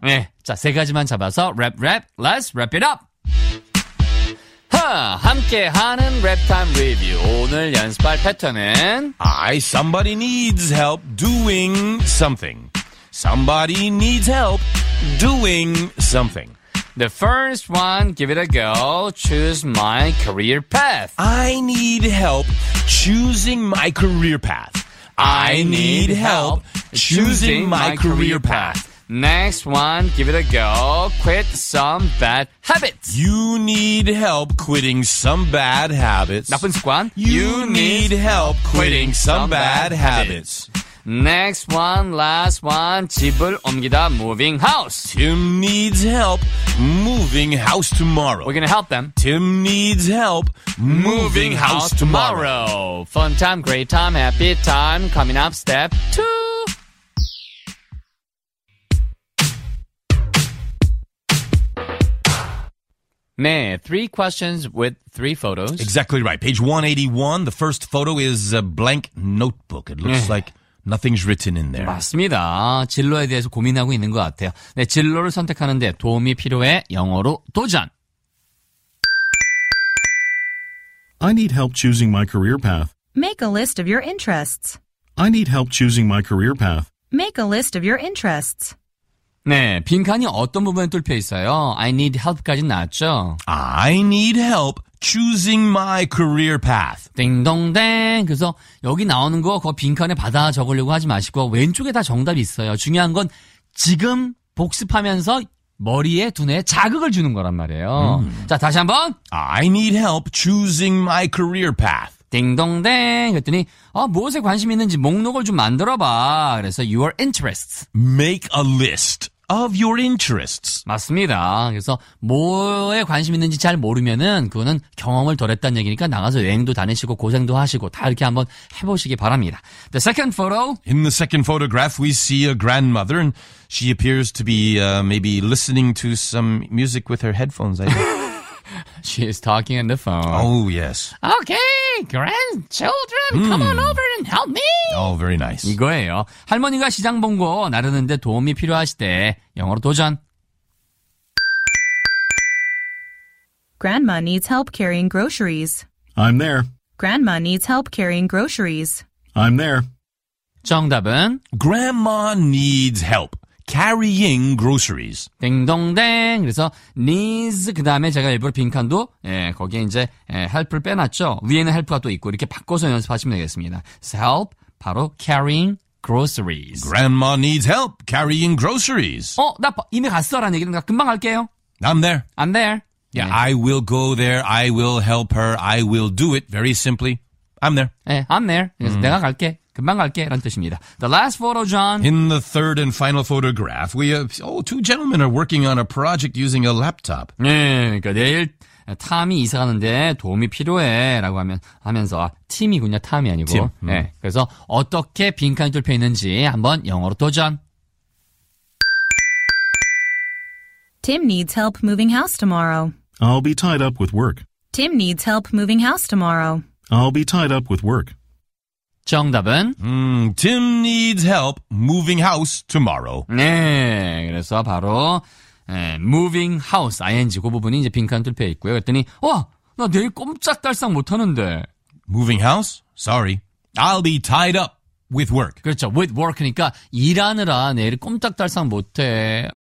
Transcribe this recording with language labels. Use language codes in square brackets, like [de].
[ko] 네, 자, 세 가지만 잡아서 랩, [en] let's wrap it up. [ko] 함께하는 랩타임 리뷰. 오늘 연습할 패턴은 [en] somebody needs help doing something. Somebody needs help doing something. The first one, give it a go. Choose my career path. I need help choosing my career path. I need help choosing my career path. Next one, give it a go. Quit some bad habits. You need help quitting some bad habits. [ko] 나쁜 습관. [en] You need help quitting some bad habits. Next one, last one. [ko] 집을 옮기다, [en] moving house. Tim needs help moving house tomorrow. We're gonna help them. Tim needs help moving house tomorrow. Fun time, great time, happy time. Coming up, step two. 네, three questions with three photos. Exactly right. Page 181, the first photo is a blank notebook. It looks like nothing's written in there. [ko] 맞습니다. 진로에 대해서 고민하고 있는 것 같아요. 네, 진로를 선택하는데 도움이 필요해. 영어로 도전. [en] I need help choosing my career path. Make a list of your interests. I need help choosing my career path. Make a list of your interests. [ko] 네, 빈칸이 어떤 부분에 뚫려 있어요? [en] I need help까지 [ko] 나왔죠? [en] I need help choosing my career path. [ko] 띵동댕. 그래서 여기 나오는 거 그거 빈칸에 받아 적으려고 하지 마시고 왼쪽에 다 정답이 있어요. 중요한 건 지금 복습하면서 머리에 두뇌에 자극을 주는 거란 말이에요. 자, 다시 한번. [en] I need help choosing my career path. [ko] 딩동댕. 그랬더니 무엇에 관심 있는지 목록을 좀 만들어봐. 그래서 [en] your interests. Make a list of your interests. [ko] 맞습니다. 그래서 뭐에 관심 있는지 잘 모르면은 그거는 경험을 덜 했다는 얘기니까 나가서 여행도 다니시고 고생도 하시고 다 이렇게 한번 해보시기 바랍니다. [en] The second photo. In the second photograph, we see a grandmother and she appears to be maybe listening to some music with her headphones. I think. She is talking on the phone. Oh, yes. Okay, grandchildren, come on over and help me. Oh, very nice. [ko] 이거예요. 할머니가 시장 본거 나르는데 도움이 필요하실 때 영어로 도전. [en] Grandma needs help carrying groceries. I'm there. Grandma needs help carrying groceries. I'm there. [ko] 정답은? [en] Grandma needs help. Carrying groceries. [ko] 딩동댕. 그래서 needs 그 다음에 제가 일부러 빈칸도 예, 거기에 이제 예, help을 빼놨죠. 위에는 help가 또 있고 이렇게 바꿔서 연습하시면 되겠습니다. [en] So help [ko] 바로 [en] carrying groceries. Grandma needs help carrying groceries. [ko] 어, 나 이미 갔어라는 얘기니까 금방 갈게요. [en] I'm there. I'm there. Yeah, 네. I will go there. I will help her. I will do it very simply. I'm there. [ko] 예, [en] I'm there. [ko] 그래서 내가 갈게. 금방 갈게 라는 뜻입니다. [en] The last photo, John. In the third and final photograph, we have, oh, two gentlemen are working on a project using a laptop. [ko] 네, 그러니까 내일 탐이 이사 가는데 도움이 필요해 라고 하면서 팀이군요. 탐이 아니고. 팀. 네, 그래서 어떻게 빈칸이 뚫혀 있는지 한번 영어로 도전. [en] Tim needs help moving house tomorrow. I'll be tied up with work. Tim needs help moving house tomorrow. I'll be tied up with work. [ko] 정답은 [en] Tim needs help moving house tomorrow. [ko] 네, 그래서 바로 네, [en] moving house ing [ko] 그 부분이 이제 빈칸 뚫혀 있고요. 그랬더니 와, 나 내일 꼼짝달싹 못 하는데. [en] Moving house? Sorry. I'll be tied up with work. [ko] 그렇죠. [en] With work [ko] 니까 일하느라 내일 꼼짝달싹 못 해.